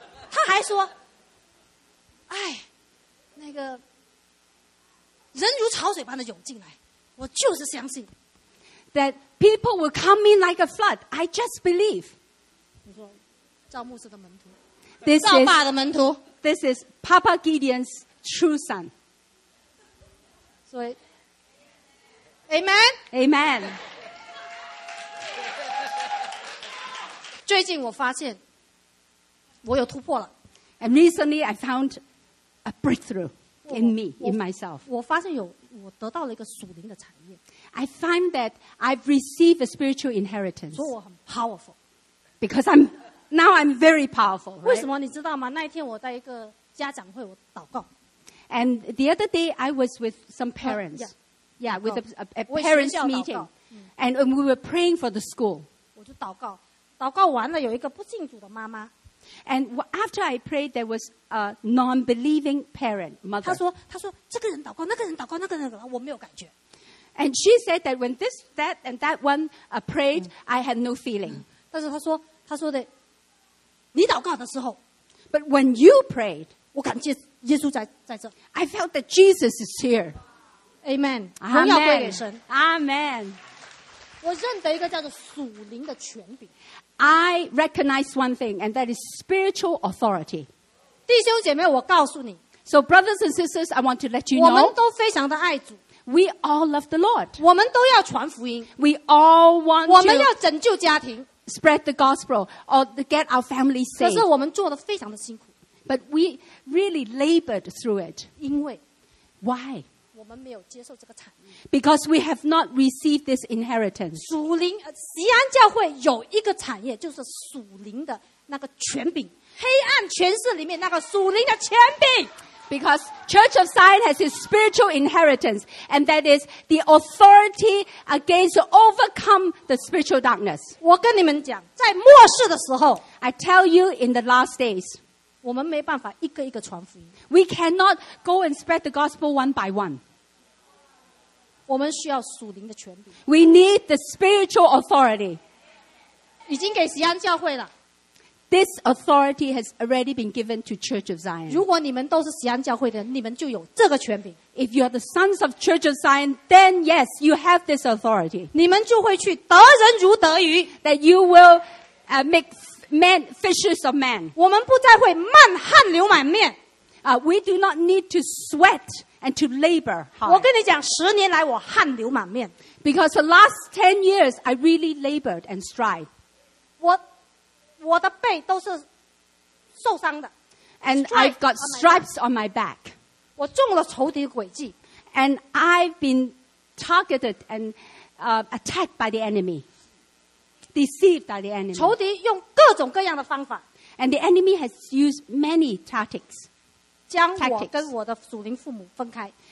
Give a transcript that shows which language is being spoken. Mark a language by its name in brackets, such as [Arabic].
[Chinese] 他还说，哎，那个人如潮水般的涌进来，我就是相信。 [English] That people will come in like a flood. I just believe. [Chinese] 你说，赵牧师的门徒， [English] this [Chinese] 赵爸的门徒。 [English] This is Papa Gideon's true son. So, Amen. Amen. [Chinese] 最近我发现我有突破了。 [English] And recently I found a breakthrough in me, in myself. [Chinese] 我发现有我得到了一个属灵的产业。 [English] I find that I've received a spiritual inheritance. [Chinese] 说我很 powerful. [English] Because I'm now I'm very powerful.、Right? [Chinese] 为什么你知道吗？那一天我在一个家长会，我祷告。 [English] And the other day I was with some parents. Yeah, with a parents meeting. And we were praying for the school. [Chinese] 我就祷告。祷告完了，有一个不信主的妈妈。 [English] And after I prayed, there was a non-believing parent, mother. [Chinese] 她说这个人祷告，那个人祷告，那个人祷告，我没有感觉。 [English] And she said that when this, that, and that one prayed,、嗯、I had no feeling.、嗯、 [Chinese] 但是她说的，你祷告的时候 [English] ，But when you prayed, [Chinese] 我感觉耶稣在这。 [English] I felt that Jesus is here. [Chinese] Amen. 荣耀归给神。 [English] Amen. [Chinese] 我认得一个叫做属灵的权柄。 [English] I recognize one thing, and that is spiritual authority. [Chinese] 弟兄姐妹，我告诉你。 [English] So brothers and sisters, I want to let you know. [Chinese] 我们都非常的爱主。 [English] We all love the Lord. [Chinese] 我们都要传福音。 [English] We all want. [Chinese] 我们要拯救家庭。 [English] Spread the gospel or get our family saved. [Chinese] 可是我们做得非常的辛苦。 [English] But we really labored through it. [Chinese] 因为 [English] why? [Chinese] 我们没有接受这个产业。 [English] Because we have not received this inheritance. [Chinese] 属灵，锡安教会有一个产业，就是属灵的那个权柄，黑暗权势里面那个属灵的权柄。 [English] Because Church of Zion has its spiritual inheritance, and that is the authority against to overcome the spiritual darkness. [Chinese] 我跟你们讲，在末世的时候 [English] ，I tell you in the last days, [Chinese] 我们没办法一个一个传福音。 [English] We cannot go and spread the gospel one by one. [Chinese] 我们需要属灵的权柄。 [English] We need the spiritual authority. [Chinese] 已经给锡安教会了。 [English] This authority has already been given to Church of Zion. [Chinese] 如果你们都是锡安教会的人，你们就有这个权柄。 [English] If you are the sons of Church of Zion, then yes, you have this authority. [Chinese] 你们就会去得人如得鱼。 [English] That you will make men fishes of men. [Chinese] 我们不再会慢汗流满面。 [English] We do not need to sweat and to labor hard. [Chinese] 我跟你讲，十年来我汗流满面。 [English] Because the last 10 years, I really labored and strived. [Chinese] 我的背都是受伤的。 [English] And I've got stripes on my back. [Chinese] 我中了仇敌的诡计。 [English] And I've been targeted and attacked by the enemy. Deceived by the enemy. [Chinese] 仇敌用各种各样的方法。 [English] And the enemy has used many tactics. [Chinese] 将我跟我的属灵父母分开。